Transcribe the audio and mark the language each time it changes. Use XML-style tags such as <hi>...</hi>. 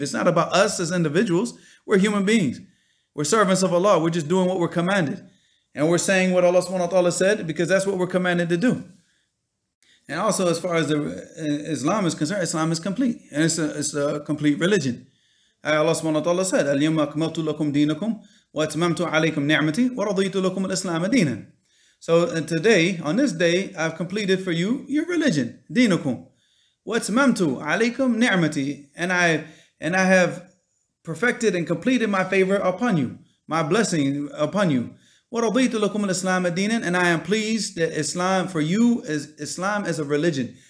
<en>It's not about us as individuals. We're human beings. We're servants of Allah. We're just doing what we're commanded. And we're saying what Allah subhanahu wa ta'ala said because that's what we're commanded to do. And also, as far as the Islam is concerned, Islam is complete. And it's a complete religion. Allah subhanahu wa ta'ala said,</en> <ar>أَلْيَمَّ أَكْمَلْتُ لَكُمْ دِينَكُمْ وَأَتْمَمْتُ عَلَيْكُمْ نِعْمَتِي وَرَضِيتُ لَكُمْ الْإِسْلَامَ دِينًا.</ar> <en>So today, on this day, I've completed for you your religion,</en> <ar>دِينَكُمْ وَأَتْمَمْتُ عَلَيْكُمْ نِعْمَتِي,</ar> <en>and I have perfected and completed my favor upon you, my blessing upon you.</en> <ar>وَرَضِيتُ لَكُمْ الْإِسْلَامَ دِينًا,</ar> <en>and I am pleased that Islam for you is Islam as a religion.</en>